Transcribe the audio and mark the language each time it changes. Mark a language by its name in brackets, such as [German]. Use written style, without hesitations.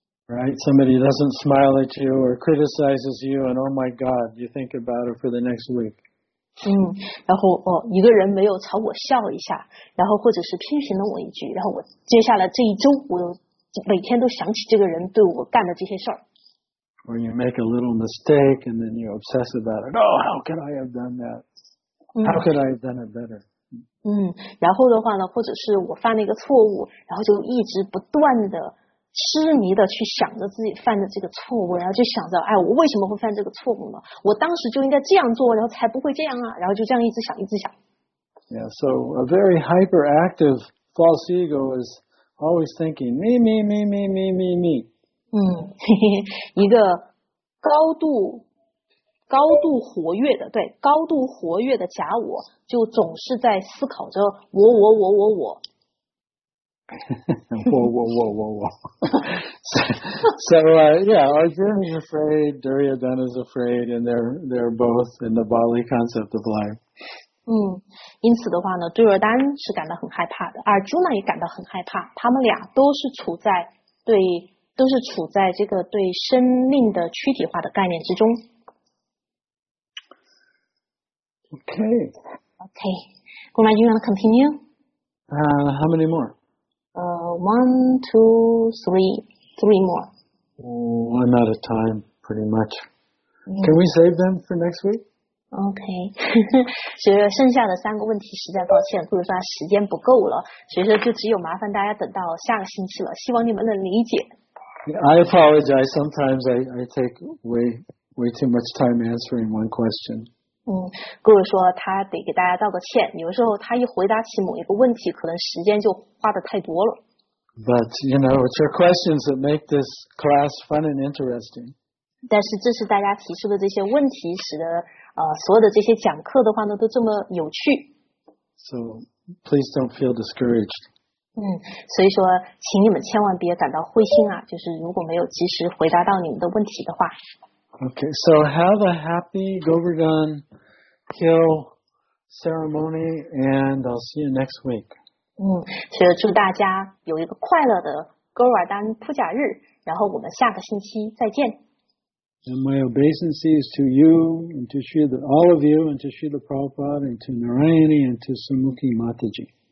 [English] Right, somebody doesn't smile at you or criticizes you, and oh my god, you think about it for the next week. [Chinese] 然后一个人没有朝我笑一下，然后或者是批评了我一句，然后我接下来这一周我都。每天都想起这个人对我干的这些事儿。 [English] Or you make a little mistake and then you obsess about it. Oh, how could I have done that? How could I have done it better? [Chinese] 然后的话呢，或者是我犯了一个错误，然后就一直不断的痴迷的去想着自己犯的这个错误，然后就想着，哎，我为什么会犯这个错误呢？我当时就应该这样做，然后才不会这样啊！然后就这样一直想，一直想。 [English] Yeah, so a very hyperactive false ego is. Always thinking, me, me, me, me, me, me, me. [Chinese] 一个高度活跃的，对，高度活跃的假我，就总是在思考着我我我我我。我。 [English] So, yeah, Arjuna is afraid, Duryodhana is afraid, and they're both in the Bali concept of life. [Chinese] 因此的话呢，杜尔丹是感到很害怕的，而朱娜也感到很害怕，他们俩都是处在这个对生命的躯体化的概念之中。 [English] Okay. Guru Maharaj, you want to continue? How many more? One, two, three. Three more. Oh, I'm out of time, pretty much. Can we save them for next week? Okay. [Chinese] 所以剩下的三个问题实在抱歉，不如说时间不够了，所以说就只有麻烦大家等到下个星期了，希望你们能理解。 [English] I apologize. Sometimes I take way too much time answering one question. [Chinese] 顾问说他得给大家道个歉，有时候他一回答起某一个问题，可能时间就花的太多了。 [English] But you know, it's your questions that make this class fun and interesting. [Chinese] 但是这是大家提出的这些问题，使得所有的这些讲课的话呢，都这么有趣。 [English] So please don't feel discouraged. [Chinese] 所以说，请你们千万别感到灰心啊！就是如果没有及时回答到你们的问题的话。 [English] Okay, so have a happy Govardhan Hill ceremony, and I'll see you next week. [Chinese] 所以祝大家有一个快乐的 Govardhan 普甲日，然后我们下个星期再见。 [English] And my obeisances to you and to Srila, all of you, and to Srila Prabhupada and to Narayani and to Sumukhi Mataji.